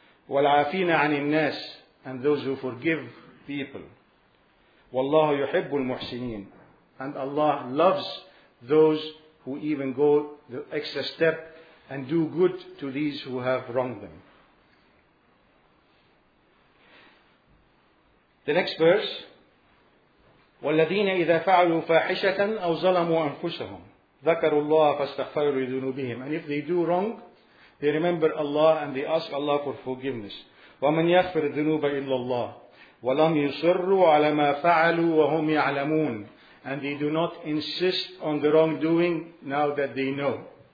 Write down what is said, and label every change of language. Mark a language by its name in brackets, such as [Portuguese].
[Arabic] وَالْعَافِينَ عَنِ النَّاسِ. [English] And those who forgive people. [Arabic] وَاللَّهُ يُحِبُّ الْمُحْسِنِينَ. [English] And Allah loves those who even go the extra step and do good to these who have wronged them. The next verse, [Arabic] وَالَّذِينَ إِذَا فَعَلُوا فَاحِشَةً أَوْ ظَلَمُوا أَنفُسَهُمْ ذَكَرُوا اللَّهَ فَاسْتَغْفَرُوا لِذُنُوبِهِمْ. [English] And if they do wrong, they remember Allah and they ask Allah for forgiveness. [Arabic] وَمَنْ يَغْفِرُ الذُّنُوبَ إِلَّا اللَّهُ وَلَمْ يُصِرُّوا عَلَى مَا فَعَلُوا وَهُمْ يَعْلَمُونَ. [English] And they do not insist on the wrongdoing now that they know.